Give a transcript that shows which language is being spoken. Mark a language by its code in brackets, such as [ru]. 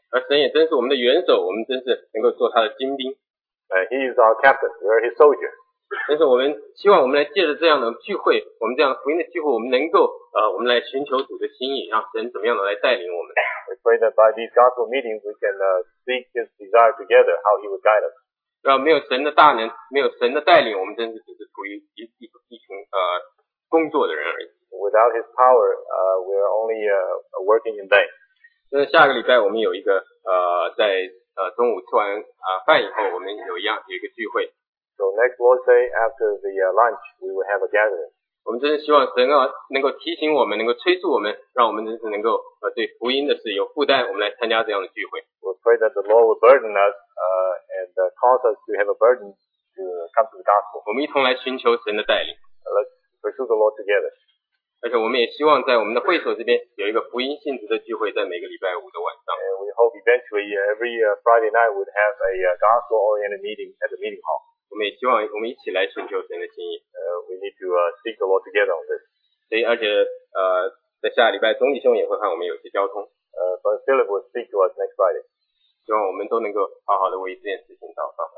[zh] 而神也真是我们的元首，我们真是能够做他的精兵。 [en] He is our captain. We are his soldier. [zh] 但是我们希望我们来借着这样的聚会，我们这样福音的聚会，我们能够我们来寻求主的心意，让神怎么样的来带领我们。 [en] We pray that by these gospel meetings, we can seek his desire together, how he would guide us. [zh] 没有神的大能，没有神的带领，我们真的只是处于一群工作的人而已。 [en] Without his power, we're only working in vain. [zh] 那下个礼拜我们有一个在中午吃完饭以后，我们有一个聚会。 [en] So next Lord's Day after the lunch, we will have a gathering. [zh] 我们真的希望神能够提醒我们，能够催促我们，让我们真是能够对福音的事有负担，我们来参加这样的聚会。 [en] We pray that the Lord will burden us. Cause us to have a burden to come to the gospel. [zh] 我们一同来寻求神的带领。 [en] Let's pursue the Lord together. [zh] 而且我们也希望在我们的会所这边有一个福音性质的聚会，在每个礼拜五的晚上。 [en] And we hope eventually every Friday night we'd have a gospel-oriented meeting at the meeting hall. [zh] 我们也希望我们一起来寻求神的心意。 [en] We need to seek the Lord together on this. [zh] 所以，而且在下礼拜总体兄也会和我们有些交通。 [en] But Philip will speak to us next Friday. [zh] 希望我们都能够好好的为这件事情祷告。